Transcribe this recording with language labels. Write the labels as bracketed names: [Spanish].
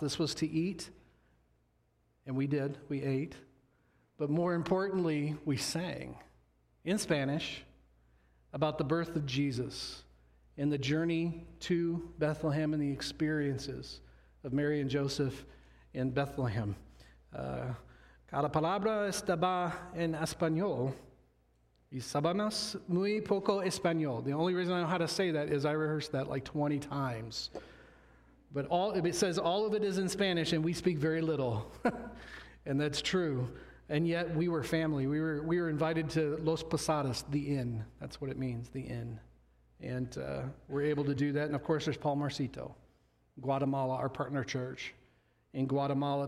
[English] This was to eat, and we did. We ate. But more importantly, we sang in Spanish about the birth of Jesus and the journey to Bethlehem and the experiences of Mary and Joseph in Bethlehem. [Spanish] Cada palabra estaba en español y sabemos muy poco español. [English] The only reason I know how to say that is I rehearsed that like 20 times. But all it says all of it is in Spanish and we speak very little. And that's true. And yet we were family. We were invited to Los Posadas, the inn. That's what it means, the inn. And we're able to do that. And of course, there's Palmarcito, Guatemala, our partner church in Guatemala.